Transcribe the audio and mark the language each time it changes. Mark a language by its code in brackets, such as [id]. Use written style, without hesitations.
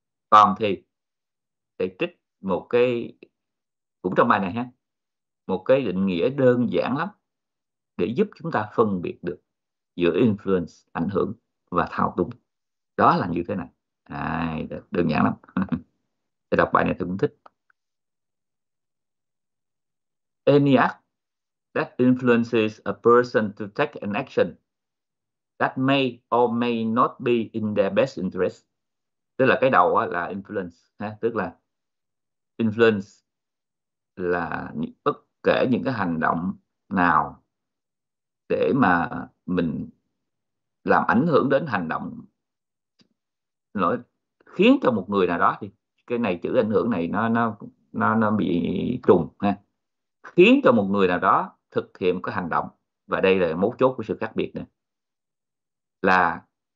[vi] Còn thì thầy trích một cái cũng trong bài này ha, một cái định nghĩa đơn giản lắm để giúp chúng ta phân biệt được giữa influence, ảnh hưởng và thao túng. Đó là như thế này. À, đơn giản lắm. Thầy đọc bài này tôi cũng thích. [en] ENIAC that influences a person to take an action that may or may not be in their best interest. [vi] Tức là cái đầu á, là influence, ha? Tức là influence là bất kể những cái hành động nào để mà mình làm ảnh hưởng đến hành động, nói khiến cho một người nào đó, thì cái này chữ ảnh hưởng này nó bị trùng ha, khiến cho một người nào đó thực hiện cái hành động, và đây là mấu chốt của sự khác biệt này, là